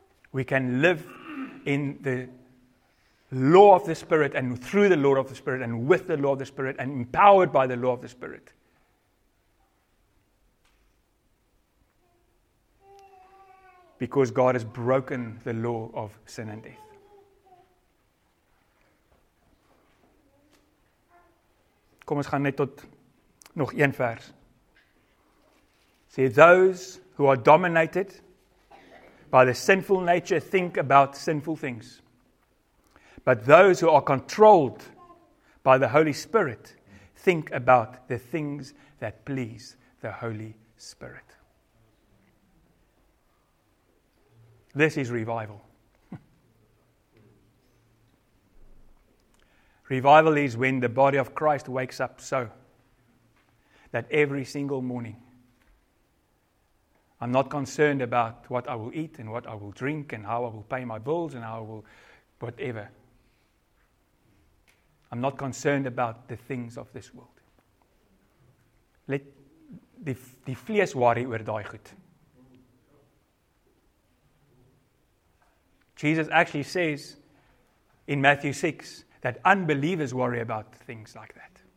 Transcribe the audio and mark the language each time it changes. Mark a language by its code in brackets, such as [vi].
[en] We can live in the law of the Spirit and through the law of the Spirit and with the law of the Spirit and empowered by the law of the Spirit. Because God has broken the law of sin and death. [af] Kom, ons gaan net tot nog een vers. Sê, [en] those who are dominated by the sinful nature think about sinful things. But those who are controlled by the Holy Spirit think about the things that please the Holy Spirit. This is revival. Revival is when the body of Christ wakes up so that every single morning I'm not concerned about what I will eat and what I will drink and how I will pay my bills and how I will whatever. I'm not concerned about the things of this world. [af] Let die vlees worry oor daai goed. [en] Jesus actually says in Matthew 6 that unbelievers worry about things like that.